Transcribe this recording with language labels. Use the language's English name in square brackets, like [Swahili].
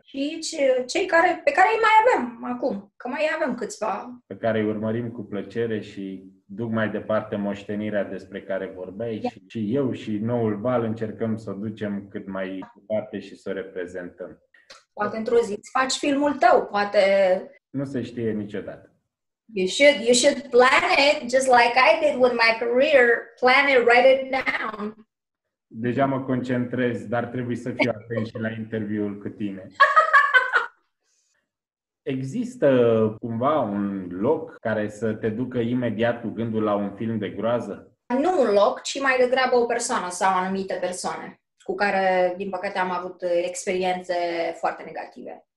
[Romanian] Și cei care, pe care îi mai avem acum, că mai avem câțiva. Pe care îi urmărim cu plăcere și duc mai departe moștenirea despre care vorbeai. Yeah. Și eu și noul val încercăm să o ducem cât mai departe și să o reprezentăm. Poate într-o zi îți faci filmul tău, poate... Nu se știe niciodată. [English] You should plan it just like I did with my career. Plan it, write it down. [Romanian] Deja mă concentrez, dar trebuie să fiu atent și la interviul cu tine. Există cumva un loc care să te ducă imediat cu gândul la un film de groază? Nu un loc, ci mai degrabă o persoană sau anumite persoane cu care, din păcate, am avut experiențe foarte negative.